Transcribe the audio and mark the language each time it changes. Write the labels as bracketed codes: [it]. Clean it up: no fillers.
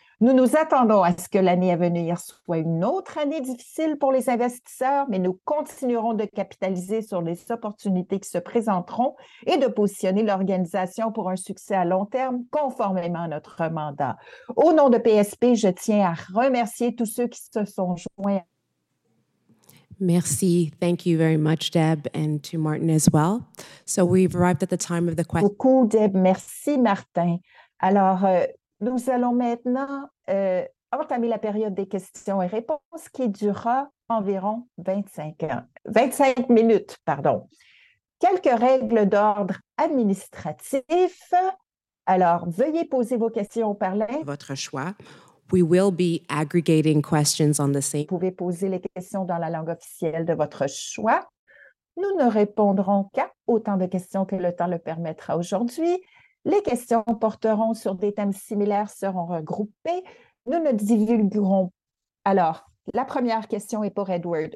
[fr] Nous nous attendons à ce que l'année à venir soit une autre année difficile pour les investisseurs, mais nous continuerons de capitaliser sur les opportunités qui se présenteront et de positionner l'organisation pour un succès à long terme, conformément à notre mandat. Au nom de PSP, je tiens à remercier tous ceux qui se sont joints à Merci. [en] Thank you very much, Deb, and to Martin as well. So we've arrived at the time of the question. [fr] Beaucoup, Deb. Merci, Martin. Alors, nous allons maintenant entamer la période des questions et réponses qui durera environ 25 minutes, pardon. Quelques règles d'ordre administratif. Alors, veuillez poser vos questions par là. Votre choix. [en] We will be aggregating questions on the same. [fr] Vous pouvez poser les questions dans la langue officielle de votre choix. Nous ne répondrons qu'à autant de questions que le temps le permettra aujourd'hui. Les questions porteront sur des thèmes similaires, seront regroupées. Nous ne divulguerons. Alors, la première question est pour Edward.